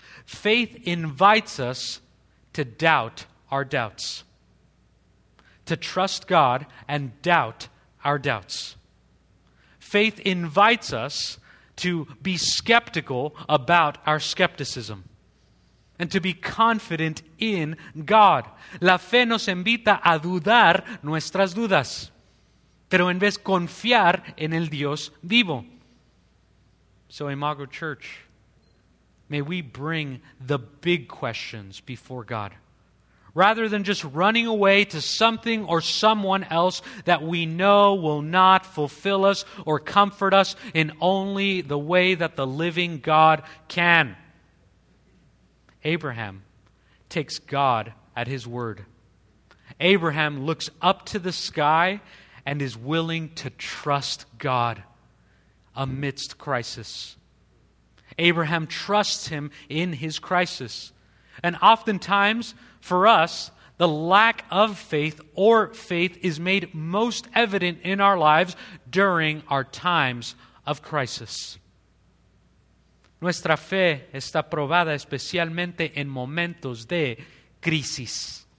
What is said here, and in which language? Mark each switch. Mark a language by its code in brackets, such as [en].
[en] Faith invites us to doubt our doubts, to trust God and doubt our doubts. Faith invites us to be skeptical about our skepticism and to be confident in God. [es] La fe nos invita a dudar nuestras dudas, pero en vez confiar en el Dios vivo. [en] So, Imago Church, may we bring the big questions before God, rather than just running away to something or someone else that we know will not fulfill us or comfort us in only the way that the living God can. Abraham takes God at His word. Abraham looks up to the sky and is willing to trust God amidst crisis. Abraham trusts Him in his crisis. And oftentimes, for us, the lack of faith or faith is made most evident in our lives during our times of crisis. [es] Nuestra fe está probada especialmente en momentos de crisis.